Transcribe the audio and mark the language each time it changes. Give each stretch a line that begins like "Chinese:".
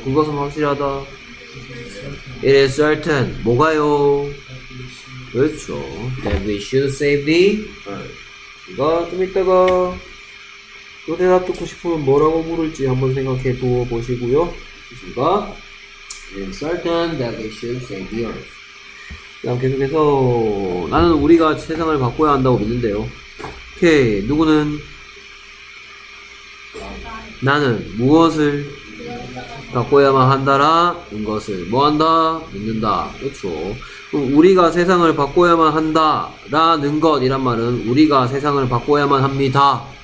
Korean: 그것은 확실하다.
English: It is certain.
Korean: 뭐가요? 그렇죠.
English: That we should save the earth.
Korean: 이거 좀 이따가 그 대답 듣고 싶으면 뭐라고 물을지 한번 생각해 두어 보시고요. 그렇습니까?
English: It is certain that we should save the earth.
Korean: 그럼 계속해서 나는 우리가 세상을 바꿔야 한다고 믿는데요. 오케이. 누구는 나는 무엇을 바꿔야만 한다라는 것을 뭐 한다? 믿는다. 그렇죠. 그럼 우리가 세상을 바꿔야만 한다라는 것이란 말은 우리가 세상을 바꿔야만 합니다.